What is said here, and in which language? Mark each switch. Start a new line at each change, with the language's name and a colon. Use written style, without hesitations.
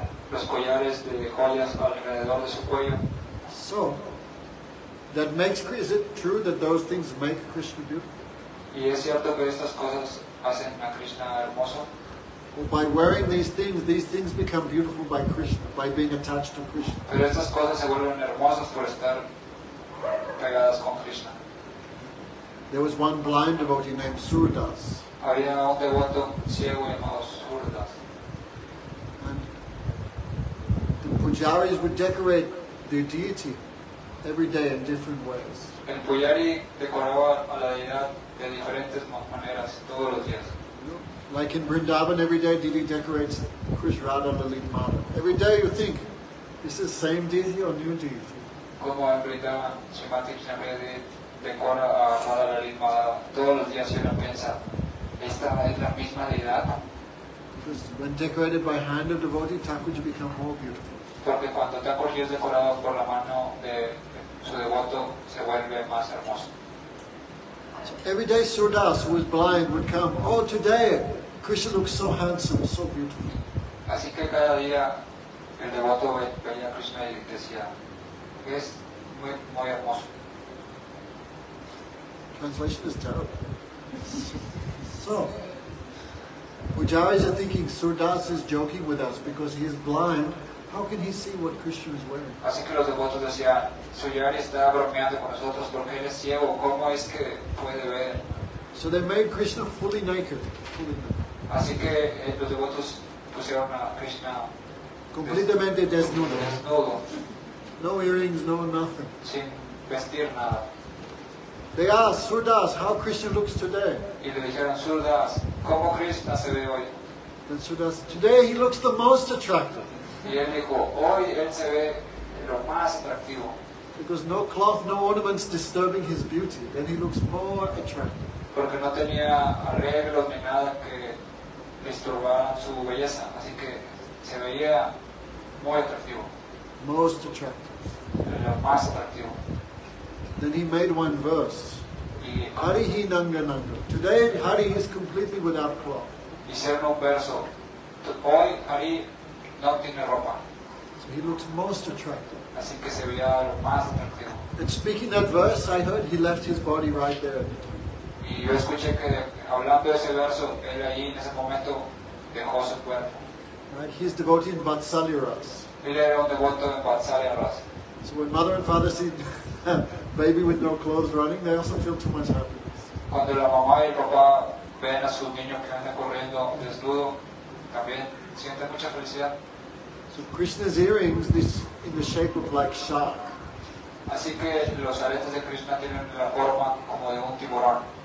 Spanish: Los collares de joyas alrededor de su cuello.
English: So. That makes, is it true that those things make Krishna beautiful?
Spanish: ¿Y es cierto que estas cosas hacen a Krishna hermoso?
English: Well, by wearing these things become beautiful by Krishna, by being attached to Krishna.
Spanish: Pero estas cosas se vuelven hermosas por estar pegadas con Krishna.
English: There was one blind devotee named Suridas.
Spanish: Había un devoto ciego llamado Suridas.
English: And the pujaris would decorate their deity every day in different ways.
Spanish: El pujari decoraba a la deidad de diferentes maneras todos los días.
English: Like in Vrindavan, every day deity decorates Krishrada Lalit Mala. Every day you think, is this the same deity or new deity?
Spanish: Como en Vrindavan, Srimati Krishnamurti decora a Radha Lalit Mala todos los días y uno piensa, ¿esta es la misma deidad?
English: Because when decorated by hand of devotee, Thakur would become more beautiful.
Spanish: Porque cuando Thakur es decorado por la mano de su devoto, se vuelve más hermoso.
English: Every day Suridas, who was blind, would come. Oh, today Krishna looks so handsome, so beautiful.
Spanish: Así que cada día el devoto veía a Krishna y decía, es muy, muy hermoso.
English: Translation is terrible. So, pujaris are thinking Suridas is joking with us because he is blind. How can he see what Krishna is wearing?
Spanish: Así que los devotos decían, Suridas está bromeando con nosotros porque él es ciego. ¿Cómo es que puede ver?
English: So they made Krishna fully naked. Fully naked.
Spanish: Así que los devotos pusieron a Krishna completamente desnudo. Desnudo.
English: No earrings, no nothing.
Spanish: Sin vestir nada.
English: They asked Suridas how Krishna looks today.
Spanish: Y le dijeron, Suridas, ¿cómo Krishna se ve hoy?
English: And Suridas, today he looks the most attractive.
Spanish: Y él dijo, hoy él se ve lo más atractivo.
English: Because no cloth, no ornaments disturbing his beauty, then he looks more attractive.
Spanish: Porque no tenía arreglos ni nada que disturbara su belleza, así que se veía muy atractivo.
English: Most attractive.
Spanish: Lo más atractivo.
English: Then he made one verse.
Sanskrit: Harihi nanga nanga.
English: Today Hari is completely without cloth.
Spanish: Hicieron un verso. Hoy Hari no tiene ropa.
English: So he looks most attractive.
Spanish: Así que se veía lo más atractivo.
English: And speaking that verse, I heard he left his body right there.
Spanish: Y yo escuché que hablando de ese verso, él ahí en ese momento dejó su cuerpo.
English: Right, he's devoted in Vatsalyaras.
Spanish: Él era un devoto en Vatsalyaras.
English: So when mother and father see baby with no clothes running, they also feel too much happiness.
Spanish: Cuando la mamá y el papá ven a su niño que anda corriendo desnudo, también sienten mucha felicidad.
English: So Krishna's earrings, this in the shape of like shark.
Spanish: Así que los aretes de Krishna tienen la forma como de un tiburón.